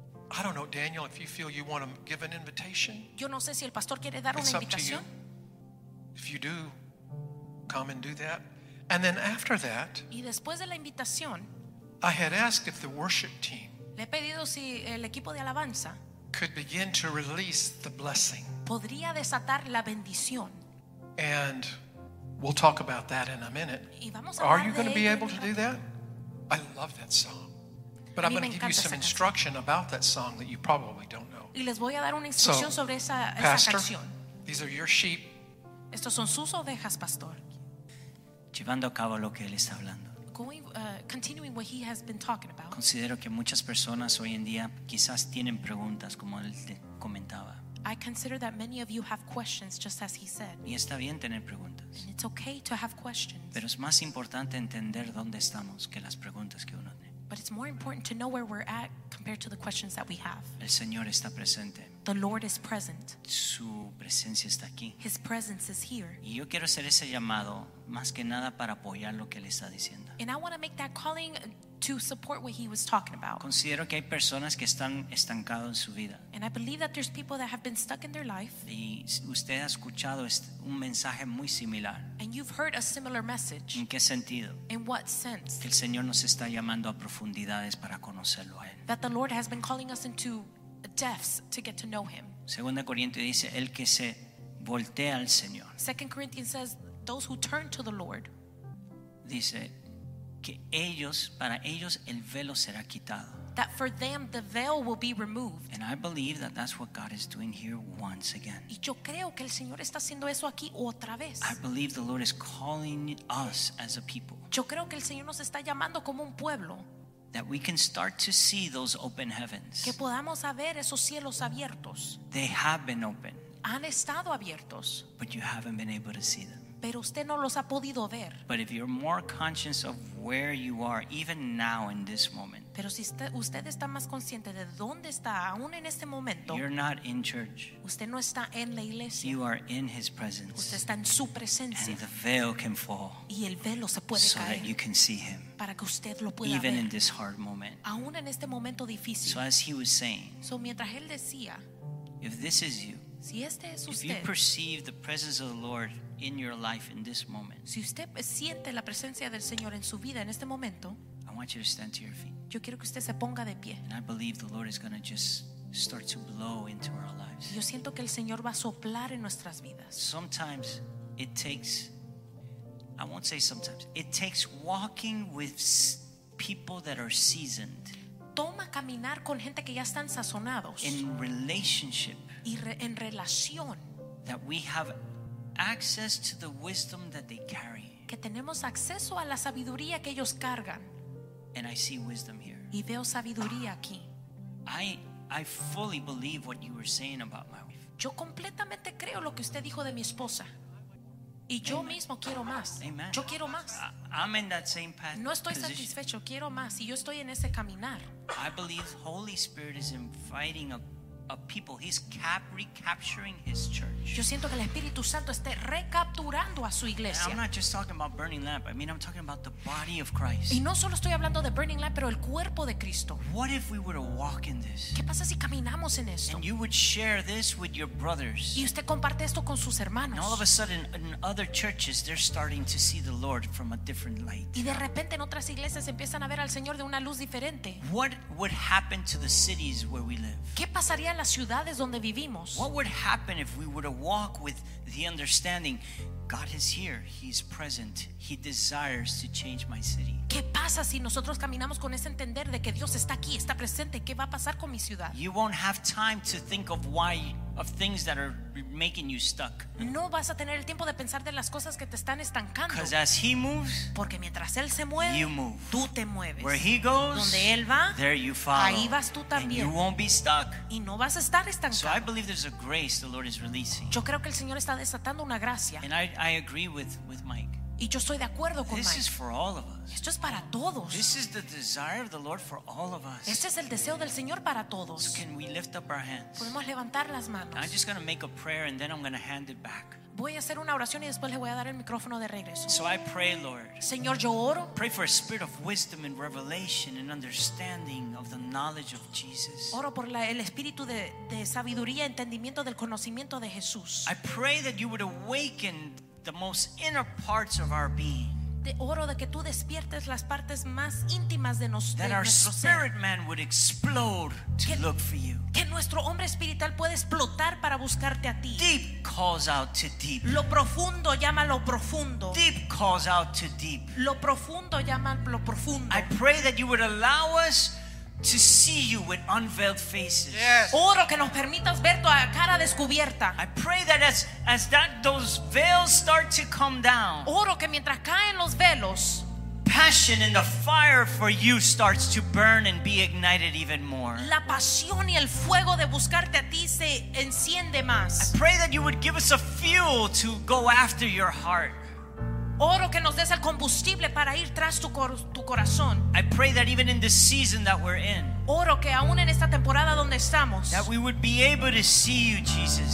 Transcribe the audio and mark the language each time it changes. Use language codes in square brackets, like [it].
[en] I don't know, Daniel, if you feel you want to give an invitation. [es] Yo no sé si el pastor quiere dar [en] it's [es] una invitación. [en] Up to you. If you do, come and do that. And then after that, [es] y después de la invitación, [en] I had asked if the worship team [es] le he pedido si el equipo de alabanza [en] could begin to release the blessing. [es] Podría desatar la bendición. [en] And we'll talk about that in a minute. [es] Y vamos a [en] Are you going to be able to do that? I love that song. But I'm going to give you some instruction about that song that you probably don't know. [es] Y les voy a dar una instrucción sobre esa, pastor, esa canción. [en] These are your sheep. [es] Estos son sus ovejas, pastor. Llevando a cabo lo que él está hablando. [en] Continuing what he has been talking about. [es] Considero que muchas personas hoy en día quizás tienen preguntas como él te comentaba. [en] I consider that many of you have questions, just as he said. [es] Y está bien tener preguntas. [en] And it's okay to have questions. [es] Pero es más importante entender dónde estamos que las preguntas que uno tiene. [en] But it's more important to know where we're at compared to the questions that we have. [es] El Señor está presente. [en] The Lord is present. [es] Su presencia está aquí. [en] His presence is here. [es] Y yo quiero hacer ese llamado más que nada para apoyar lo que él está diciendo. [en] And I want to make that calling to support what he was talking about. [es] Considero que hay personas que están estancados en su vida. [en] And I believe that there's people that have been stuck in their life. [es] Y usted ha escuchado un mensaje muy similar. [en] And you've heard a similar message. [es] ¿En qué sentido? [en] In what sense? [es] Que el Señor nos está llamando a profundidades para conocerlo a él. [en] That the Lord has been calling us into depths to get to know him. [es] Segunda Corintios dice el que se voltea al Señor. [en] Second Corinthians says those who turn to the Lord. [es] Dice que ellos, para ellos el velo será quitado. [en] That for them the veil will be removed. And I believe that that's what God is doing here once again. [es] Y yo creo que el Señor está haciendo eso aquí otra vez. [en] I believe the Lord is calling us as a people. [es] Yo creo que el Señor nos está llamando como un pueblo. [en] That we can start to see those open heavens. [es] Que podamos ver esos cielos abiertos. [en] They have been open. [es] Han estado abiertos. [en] But you haven't been able to see them. [es] Pero usted no los ha podido ver. [en] But if you're more conscious of where you are, even now in this moment. [es] Pero si usted está más consciente de dónde está aún en este momento. [en] You're not in church. [es] Usted no está en la iglesia. [en] You are in his presence. [es] Usted está en su presencia. [en] And the veil can fall. [es] Y el velo se puede [en] so [es] caer. [en] That you can see him. [es] Para que usted lo pueda [en] even [es] ver. [en] In this hard moment. [es] Aún en este momento difícil. [en] So as he was saying. [es] So mientras él decía. [en] If this is you. [es] Si este es usted. [en] If you perceive the presence of the Lord in your life in this moment. [es] Si usted siente la presencia del Señor en su vida en este momento. [en] I want you to stand to your feet. [es] Yo quiero que usted se ponga de pie. [en] And I believe the Lord is going to just start to blow into our lives. [es] Yo siento que el Señor va a soplar en nuestras vidas. [en] Sometimes it takes, I won't say sometimes, it takes walking with people that are seasoned. [es] Toma caminar con gente que ya están sazonados. [en] In relationship. [es] Y en relación. [en] That we have access to the wisdom that they carry. [es] Que tenemos acceso a la sabiduría que ellos cargan. [en] And I see wisdom here. [es] Y veo sabiduría aquí. [en] I fully believe what you were saying about my wife. [es] Yo completamente creo lo que usted dijo de mi esposa. Y yo [en] Amen. [es] Mismo quiero más. [en] Amen. [es] Yo quiero más. [en] I'm in that same path. [es] No estoy [en] position. [es] Satisfecho, quiero más y yo estoy en ese caminar. [en] I believe Holy Spirit is inviting a people. He's recapturing his church. [es] Yo siento que el Espíritu Santo esté recapturando a su iglesia. [en] And I'm not just talking about burning lamp. I mean, I'm talking about the body of Christ. [es] Y no solo estoy hablando de burning lamp, pero el cuerpo de Cristo. [en] What if we were to walk in this? [es] ¿Qué pasa si caminamos en esto? [en] And you would share this with your brothers. [es] Y usted comparte esto con sus hermanos. [en] And all of a sudden, in other churches, they're starting to see the Lord from a different light. [es] Y de repente en otras iglesias empiezan a ver al Señor de una luz diferente. [en] What would happen to the cities where we live? [es] ¿Qué pasaría las ciudades donde vivimos? [en] What would happen if we were to walk with the understanding God is here, he's present, he desires to change my city? [es] ¿Qué pasa si nosotros caminamos con ese entender de que Dios está aquí, está presente? ¿Qué va a pasar con mi ciudad? [en] You won't have time to think of why of things that are making you stuck. [es] No vas a tener el tiempo de pensar de las cosas que te están estancando. [en] Because as he moves, [es] porque mientras él se mueve, [en] you move. [es] Tú te mueves. [en] Where he goes, [es] donde él va, [en] there you follow. [es] Ahí vas tú también. [en] And you won't be stuck. [es] Y no vas a estar estancado. [en] So I believe there's a grace the Lord is releasing. [es] Yo creo que el Señor está desatando una gracia. [en] And I agree with Mike. [es] Y yo estoy de acuerdo con [en] this [es] Mike. [en] Is for all of us. [es] Esto es para todos. [en] This is the desire of the Lord for all of us. [es] Este es el deseo del Señor para todos. [en] So can we lift up our hands? [es] Podemos levantar las manos. [en] I'm just going to make a prayer and then I'm going to hand it back. [es] Voy a hacer una oración y después le voy a dar el micrófono de regreso. [en] So I pray, Lord. [es] Señor, yo oro. [en] Pray for a spirit of wisdom and revelation and understanding of the knowledge of Jesus. [es] Oro por el espíritu de sabiduría, entendimiento del conocimiento de Jesús. [en] I pray that you would awaken the most inner parts of our being. [es] te oro de que tú despiertes las partes más íntimas de nosotros. [en] That our spirit man would explode to look for you. [es] Que nuestro hombre espiritual pueda explotar para buscarte a ti. [en] Deep calls out to deep. [es] Lo profundo llama lo profundo. [en] Deep calls out to deep. [es] Lo profundo llama lo profundo. [en] I pray that you would allow us to see you with unveiled faces. Yes. [es] Oro que nos permitas ver tu cara descubierta. [en] I pray that as that those veils start to come down. [es] Oro que mientras caen los velos, [en] passion and the fire for you starts to burn and be ignited even more. [es] La pasión y el fuego de buscarte a ti se enciende más. [en] I pray that you would give us a fuel to go after your heart. [es] Oro que nos des el combustible para ir tras tu corazón. [en] I pray that even in the season that we're in. [es] Oro que aún en esta temporada donde estamos. [en] That we would be able to see you, Jesus.